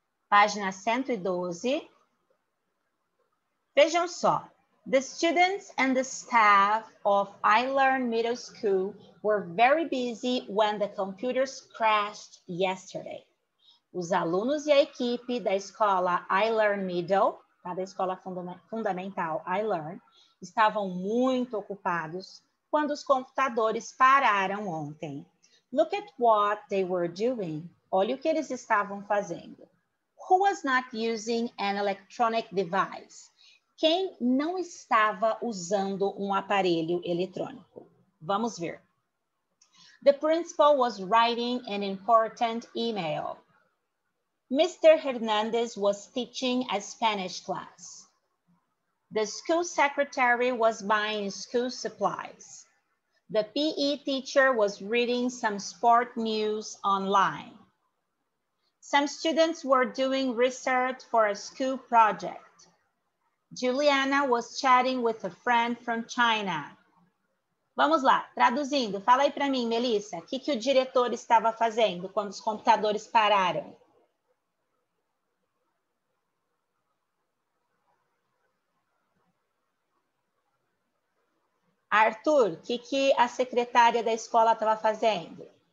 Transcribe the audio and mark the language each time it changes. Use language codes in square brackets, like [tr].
[pt] Página 112. Vejam só. [en] The students and the staff of iLearn Middle School were very busy when the computers crashed yesterday. [pt] Os alunos e a equipe da escola iLearn Middle, tá? Da escola fundamental iLearn, estavam muito ocupados quando os computadores pararam ontem. [en] Look at what they were doing. [pt] Olha o que eles estavam fazendo. [en] Who was not using an electronic device? [pt] Quem não estava usando um aparelho eletrônico? Vamos ver. [en] The principal was writing an important email. Mr. Hernandez was teaching a Spanish class. The school secretary was buying school supplies. The PE teacher was reading some sport news online. Some students were doing research for a school project. Juliana was chatting with a friend from China. [pt] Vamos lá, traduzindo. Fala aí para mim, Melissa, o que o diretor estava fazendo quando os computadores pararam? Arthur, o que a secretária da escola estava fazendo?